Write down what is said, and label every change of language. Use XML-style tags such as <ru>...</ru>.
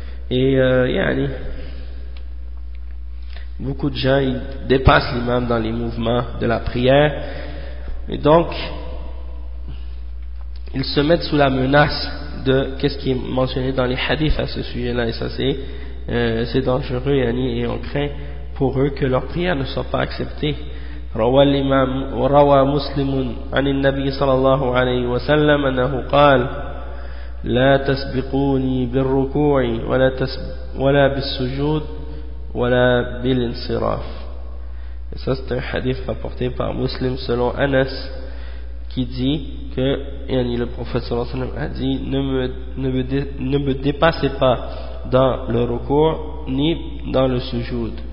<fr>Et yani, beaucoup de gens, ils dépassent l'imam dans les mouvements de la prière. Et donc, ils se mettent sous la menace de qu'est-ce qui est mentionné dans les hadiths à ce sujet-là. Et ça, c'est dangereux, yani, et on craint pour eux que leur prière ne soit pas acceptée.</fr> <ar>روى الإمام وروى مسلم عن النبي صلى الله عليه وسلم أنه قال لا تسبقوني بالركوع ولا بالسجود ولا بالانصراف.</ar> <fr>Et ça c'est un hadith rapporté par Muslim selon Anas qui dit que yani, le prophète</fr> <ar>صلى الله عليه وسلم</ar> <fr>a dit ne me dépassez pas dans le recou ni dans le sujoud.</fr>